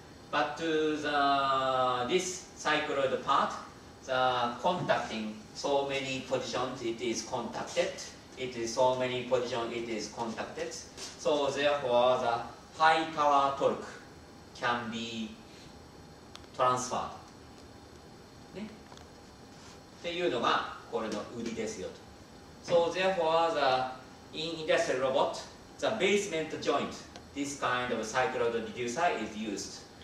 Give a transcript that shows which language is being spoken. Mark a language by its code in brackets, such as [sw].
[en] But to the, this cycloid part, the contacting so many positions it is contacted. It is so many positions it is contacted. So therefore the high power torque can be transferred. [ja] ね。っていうのがこれの売りですよと。 [en] So therefore the in industrial robot, the basement joint, this kind of cycloid reducer is used.